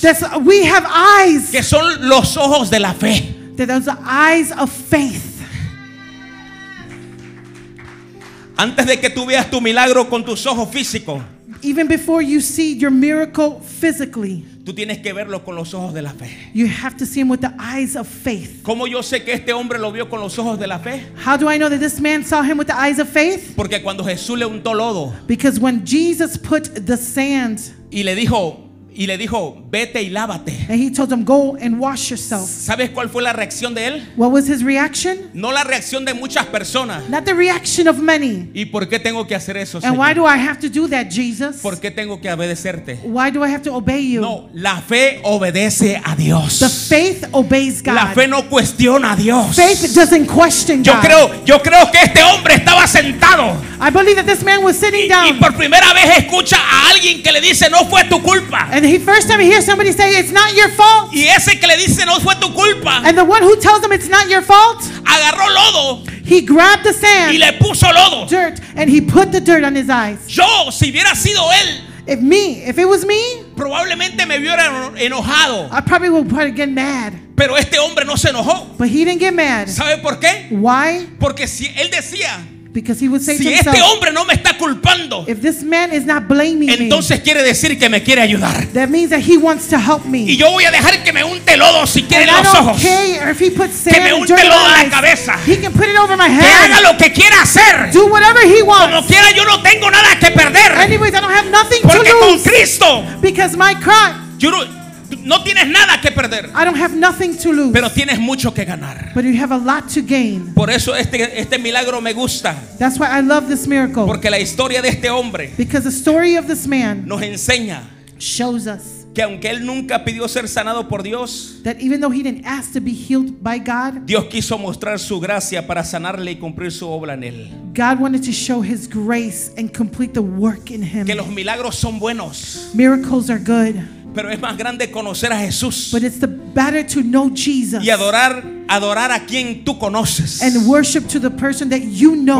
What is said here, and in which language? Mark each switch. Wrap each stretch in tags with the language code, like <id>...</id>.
<en>That we have eyes.</en> <es>Que son los ojos de la fe.</es> <en>That those are eyes of faith.</en> <es>Antes de que tú veas tu milagro con tus ojos físicos.</es> <en>Even before you see your miracle physically.</en> <es>Tú tienes que verlo con los ojos de la fe.</es> <en>You have to see him with the eyes of faith.</en> <es>¿Cómo yo sé que este hombre lo vio con los ojos de la fe?</es> <en>How do I know that this man saw him with the eyes of faith?</en> <es>Porque cuando Jesús le untó lodo.</es> <en>Because when Jesus put the sand.</en> <es>Y le dijo, vete y lávate.</es> <en>And he told him, go and wash yourself.</en> <es>¿Sabes cuál fue la reacción de él?</es> <en>What was his reaction?</en> <es>No la reacción de muchas personas.</es> <en>Not the reaction of many.</en> <es>¿Y por qué tengo que hacer eso,</es> <en>and</en> <es>Señor?</es> <en>Why do I have to do that, Jesus?</en> <es>¿Por qué tengo que obedecerte?</es> <en>Why do I have to obey you?</en> <es>No, la fe obedece a Dios.</es> <en>The faith obeys God.</en> <es>La fe no cuestiona a Dios.</es> <en>Faith doesn't question God.</en> <es>Yo creo que este hombre estaba sentado.</es> <en>I believe that this man was sitting down.</en> <es>Y por primera vez escucha a alguien que le dice, no fue tu culpa.</es> <en>And the first time he hears somebody say, it's not your fault.</en> <es>Y ese que le dice, no fue tu culpa.</es> <en>And the one who tells him it's not your fault.</en> <es>Agarró lodo.</es> <en>He grabbed the sand.</en> <es>Y le puso lodo.</es> <en>Dirt. And he put the dirt on his eyes.</en> <es>Yo, si hubiera sido él.</es> <en>If it was me.</en> <es>Probablemente me hubiera enojado.</es> <en>I probably would probably get mad.</en> <es>Pero este hombre no se enojó.</es> <en>But he didn't get mad.</en> <es>¿Sabe por qué?</es> <en>Why?</en> <es>Porque si él decía.</es> <en>Because he would say</en> <es>si</es> <en>to himself,</en> <es>este hombre no me está culpando,</es> <en>if this man is not blaming me,</en> <es>entonces quiere decir que me quiere ayudar.</es> <en>That means that he wants to help me.</en> <es>Y yo voy a dejar que me unte lodo si quiere en los</es> <en>I don't</en> <es>ojos.</es> <en>Care if he puts sand</en> <es>que me unte</es> <en>dirt</en> <es>lodo</es> <en>in my</en> <es>la cabeza.</es> <en>He can put it over my head.</en> <es>Que haga lo que quiera hacer.</es> <en>Do whatever he wants.</en> <es>Como quiera, yo no tengo nada que perder.</es> <en>Anyways, I don't have nothing</en> <es>porque</es> <en>to lose.</en> <es>Porque con Cristo.</es> <en>Because my Christ.</en> <es>No tienes nada que perder.</es> <en>I don't have nothing to lose.</en> <es>Pero tienes mucho que ganar.</es> <en>But you have a lot to gain.</en> <es>Por eso este milagro me gusta.</es> <en>That's why I love this miracle.</en> <es>Porque la historia de este hombre.</es> <en>Because the story of this man.</en> <es>Nos enseña.</es> <en>Shows us.</en> <es>Que aunque él nunca pidió ser sanado por Dios.</es> <en>That even though he didn't ask to be healed by God.</en> <es>Dios quiso mostrar su gracia para sanarle y cumplir su obra en él.</es> <en>God wanted to show his grace and complete the work in him.</en> <es>Que los milagros son buenos.</es> <en>Miracles are good.</en> <es>Pero es más grande conocer a Jesús.</es> <en>But it's the better to know Jesus.</en> <es>Y adorar a quien tú conoces.</es> <en>And worship to the person that you know.</en>